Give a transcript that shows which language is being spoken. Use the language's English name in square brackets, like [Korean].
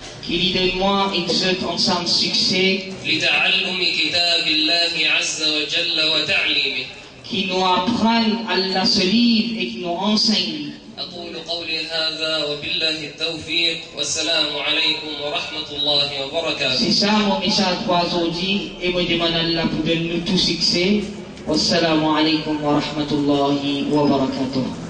[French] qu'il y donne moi et que ce ensemble succès qui nous apprenne Allah ce livre et qui nous enseigne. [Arabic] أقول قولي هذا وبالله التوفيق والسلام عليكم ورحمة الله وبركاته. [French] C'est ça mon message pour aujourd'hui et me demande Allah pour donner tout succès. [Arabic] والسلام عليكم ورحمة الله وبركاته.